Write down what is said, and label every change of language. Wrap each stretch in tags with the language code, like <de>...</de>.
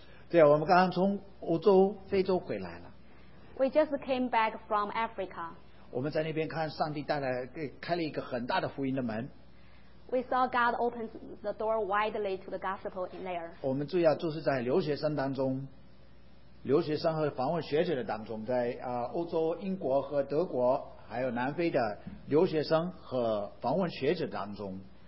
<zh>对，我们刚刚从欧洲、非洲回来了。</zh> <en>We just came back from Africa.</en> <zh>我们在那边看上帝带来给开了一个很大的福音的门。</zh> <en>We saw God open the door widely to the gospel in there.</en> <zh>我们注意啊，就是在留学生当中，留学生和访问学者的当中，在欧洲、英国和德国，还有南非的留学生和访问学者当中。</zh>